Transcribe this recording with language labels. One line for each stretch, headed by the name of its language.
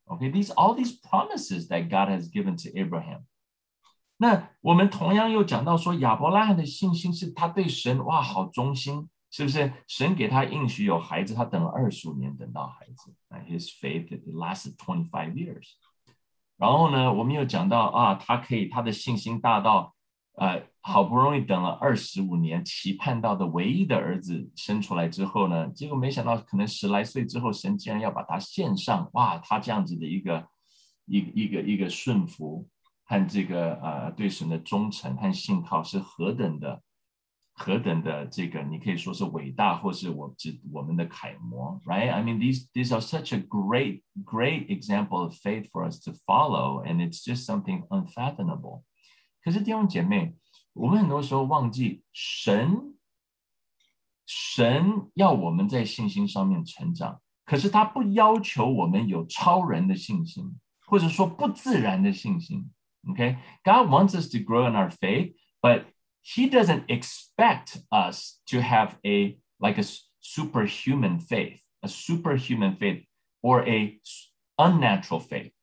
English: Okay, all these promises that God has given to Abraham.
Chinese: 那我们同样又讲到说，亚伯拉罕的信心是他对神哇好忠心，是不是？神给他应许有孩子，他等了25年等到孩子。
English: His faith lasted 25 years.
Chinese: 然后呢，我们又讲到他的信心大到。好不容易等了25年，期盼到的唯一的儿子生出来之后呢，结果没想到可能十来岁之后，神竟然要把他献上。哇，他这样子的一个顺服和这个对神的忠诚和信靠是何等的这个，你可以说是伟大，或是我们的楷模 ，
English: right？ I mean these are such a great example of faith for us to follow, and it's just something unfathomable.
Chinese: 可是弟兄姐妹，我们很多时候忘记神要我们在信心上面成长，可是他不要求我们有超人的信心，或者说不自然的信心。
English: Okay? God wants us to grow in our faith, but he doesn't expect us to have a superhuman faith, a superhuman faith or a unnatural faith.